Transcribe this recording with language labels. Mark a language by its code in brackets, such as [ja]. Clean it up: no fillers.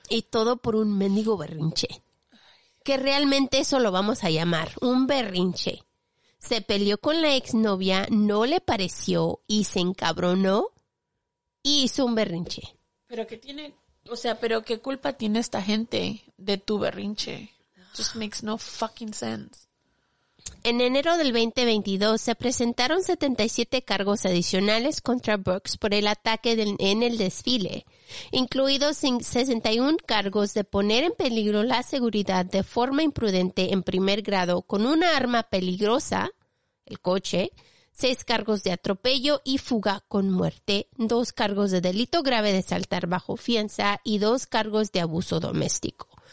[es] Y todo por un mendigo berrinche. Que realmente eso lo vamos a llamar, un berrinche. Se peleó con la exnovia, no le pareció y se encabronó y hizo un berrinche. ¿Pero qué tiene? O sea, ¿pero qué culpa tiene esta gente de tu berrinche? [en] Just makes no fucking sense. [es] En enero del 2022 se presentaron 77 cargos adicionales contra Brooks por el ataque en el desfile, incluidos 61 cargos de poner en peligro la seguridad de forma imprudente en primer grado con una arma peligrosa, el coche, 6 cargos de atropello y fuga con muerte, 2 cargos de delito grave de saltar bajo fianza y 2 cargos de abuso doméstico.